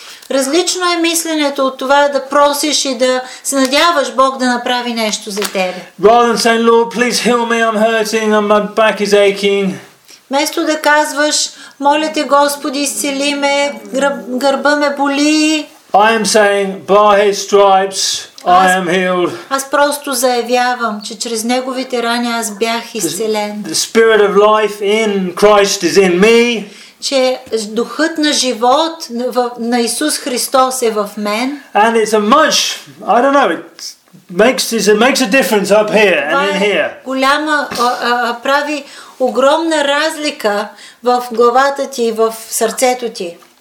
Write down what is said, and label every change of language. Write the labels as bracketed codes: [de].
[bg] Различно е мисленето от това да просиш и да се надяваш Бог да направи нещо за тебе. [en] Rather than saying, Lord, please heal me, I'm hurting, my back is aching. [bg] Вместо да казваш, моля те Господи, изцели ме, гърба ме боли. [en] I am saying, by His stripes, I am healed. [bg] Аз просто заявявам, че чрез Неговите рани аз бях изцелен. [en] The spirit of life in Christ is in me. [bg] Че духът на живот на Исус Христос е в мен. [en] And it's a much, I don't know, it makes a difference up here and in here. [bg] Голяма прави огромна разлика в главата ти и в сърцето ти.